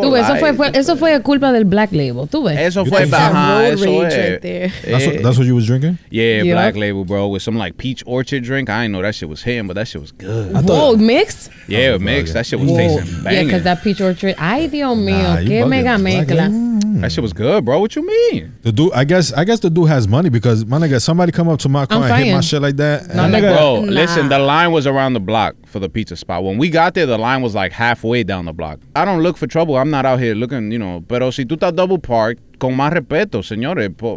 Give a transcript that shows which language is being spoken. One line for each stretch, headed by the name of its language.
Spanish: Tú ves, eso fue culpa del Black Label. Tú ves. Eso fue, ajá, eso es.
English: That's what you was drinking? Yeah, yep. Black Label, bro, with some like peach orchard drink. I didn't know that shit was hitting, but that shit was good. Whoa, mixed? Yeah, oh, mixed. That shit was tasting banging. Yeah, because that peach orchard.
Spanish: Ay, Dios mío, qué mega mezcla.
English: That shit was good, bro. What you mean? The dude, I guess the dude has money because my nigga, somebody come up to my car and hit my shit like that. No, nigga. Bro, listen, the line was around the block for the pizza spot. When we got there, the line was like halfway down the block. I don't look for trouble. I'm not out here looking, you know.
Spanish: Pero si tú estás
English: double parked,
Spanish: con más respeto, señores.